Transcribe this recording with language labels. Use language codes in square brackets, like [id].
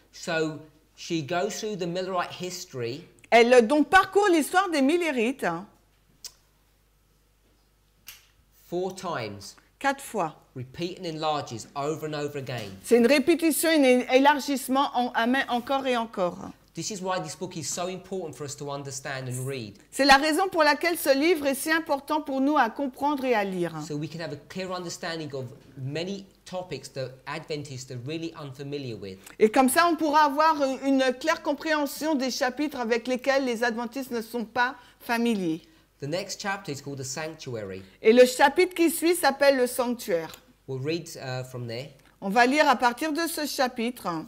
[en] So she goes through the Millerite history. [fr] Elle donc parcourt l'histoire des Millerites. [en] Four times. [fr] Quatre fois. [en] Repeat and enlarges over and over again. [fr] C'est une répétition et un élargissement encore et encore. [en] This is why this book is so important for us to understand and read. [fr] C'est la raison pour laquelle ce livre est si important pour nous à comprendre et à lire. [en] So we can have a clear understanding of many topics that Adventists are really unfamiliar with. [fr] Et comme ça, on pourra avoir une claire compréhension des chapitres avec lesquels les Adventistes ne sont pas familiers. [en] The next chapter is called the Sanctuary. [fr] Et le chapitre qui suit s'appelle le Sanctuaire. [en] We'll read from there. [fr] On va lire à partir de ce chapitre.